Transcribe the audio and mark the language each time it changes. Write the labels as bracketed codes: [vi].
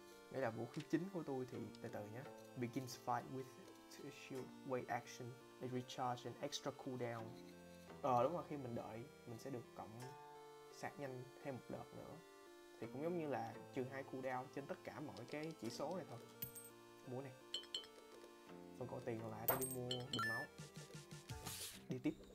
[vi] Đây là vũ khí chính của tôi thì từ nhé. [en] Begins fight with shield wait action. They recharge an extra cooldown. [vi] Đúng rồi, khi mình đợi mình sẽ được cộng sạc nhanh thêm một đợt nữa. Thì cũng giống như là trừ 2 cooldown trên tất cả mọi cái chỉ số này thôi. Mua này. Phần còn tiền còn lại tôi đi mua bình máu. Đi tiếp.